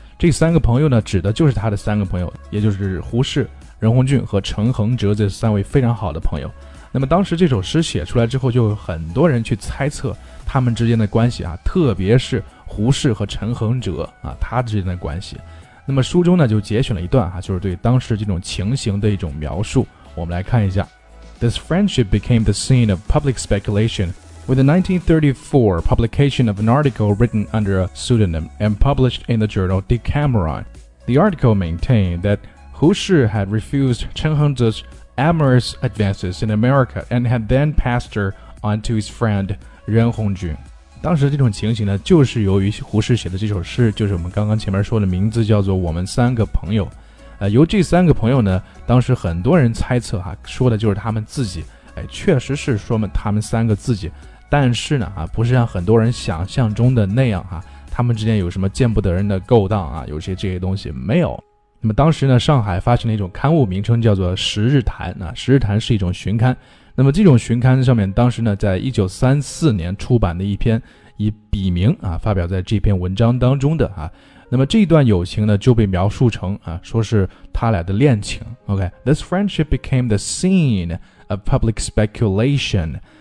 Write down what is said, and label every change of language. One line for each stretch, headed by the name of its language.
Chinese: 这三个朋友呢，指的就是他的三个朋友，也就是胡适、任鸿俊和陈恒哲这三位非常好的朋友。那么当时这首诗写出来之后，就有很多人去猜测他们之间的关系啊，特别是胡适和陈恒哲啊，他之间的关系。那么书中呢就节选了一段哈，就是对当时这种情形的一种描述，我们来看一下。
English: This friendship became the scene of public speculation with the 1934 publication of an article written under a pseudonym and published in the journal Decameron. The article maintained that Hu Shi had refused Chen Hengzhe's amorous advances in America and had then passed her on to his friend Ren Hongjun.
Chinese: 当时这种情形呢，就是由于胡适写的这首诗，就是我们刚刚前面说的名字叫做我们三个朋友，由这三个朋友呢，当时很多人猜测哈，说的就是他们自己，确实是说嘛他们三个自己，但是呢啊，不是像很多人想象中的那样哈，他们之间有什么见不得人的勾当啊，有些这些东西没有。那么当时呢，上海发行了一种刊物，名称叫做《时日谈》啊，《时日谈》是一种巡刊。那么这种巡刊上面，当时呢，在1934年出版的一篇以笔名啊发表在这篇文章当中的啊，那么这段友情呢就被描述成啊，说是他俩的恋情。
English: OK, this friendship became the scene of public speculation.